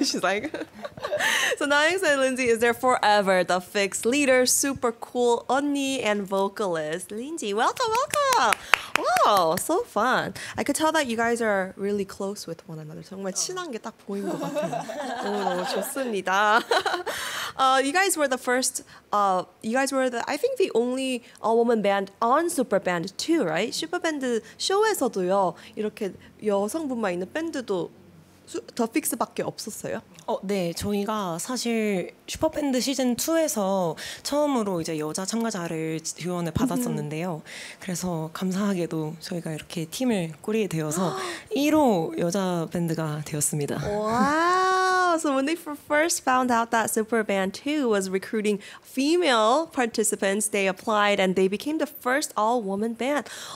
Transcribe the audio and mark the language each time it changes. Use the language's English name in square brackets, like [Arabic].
[English] She's like, so Naeung said Lindsay is there forever. The fix leader, super cool 언니 and vocalist. Lindsay, welcome, welcome. Wow, so fun. I could tell that you guys are really close with one another. [Korean] 정말 친한 게 딱 보인 것 같아요. 너무 좋습니다. [English] You guys were the first, you guys were the, I think the only all-woman band on Super Band 2, right? [Korean] Super Band 쇼에서도요, 이렇게 여성분만 있는 밴드도 더 픽스밖에 없었어요? 네, 저희가 사실 슈퍼밴드 시즌2에서 처음으로 이제 여자 참가자를 지원을 받았었는데요. 그래서 감사하게도 저희가 이렇게 팀을 꾸리게 되어서 1호 여자 밴드가 되었습니다. 와우! [English] So when they first found out that Superband 2 was recruiting female participants, they applied and they became the first all-woman band.